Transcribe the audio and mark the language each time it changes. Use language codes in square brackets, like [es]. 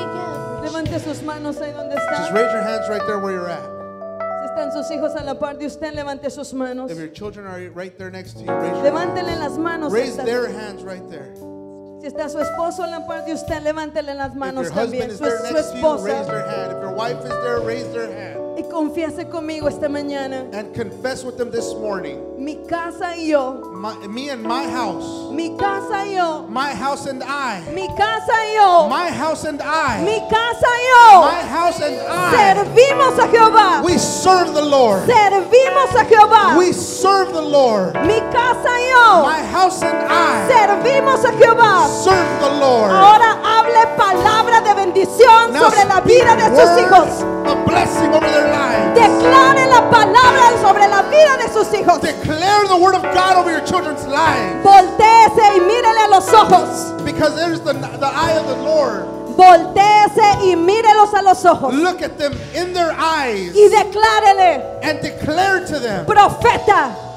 [en] Just raise your hands right there where you're at. [es] Si están sus hijos a la par de usted, levante sus manos. [en] If your children are right there next to you, [es] levántenle las manos. [en] Raise their hands right there. [es] Si está su esposo a la par de usted, levántenle las manos también. [en] If your husband is there next to you, raise their hand. If your wife is there, raise their hand. [es] Y confiese conmigo esta mañana. [en] And confess with them this morning. [es] Mi casa y yo. [en] Me and my house. [es] Mi casa y yo. [en] My house and I. [es] Mi casa y yo. [en] My house and I. [es] Mi casa y yo. [en] My house and I. [es] Servimos a Jehová. [en] We serve the Lord. [es] Servimos a Jehová. [en] We serve the Lord. [es] Mi casa y yo. [en] My house and I. [es] Servimos a Jehová. [en] Serve the Lord. [es] Ahora hable palabra de bendición [en] now [es] sobre la vida de sus hijos. [en] A blessing over their lives. [es] Declare la palabra sobre la vida de sus hijos. [en] Declare the word of God over your children's lives. [es] Voltéese y mírele a los ojos. [en] Because there's the eye of the Lord. [es] Voltéese y mírelos a los ojos. [en] Look at them in their eyes. [es] Y declárele. [en] And declare to them. [es] Profeta.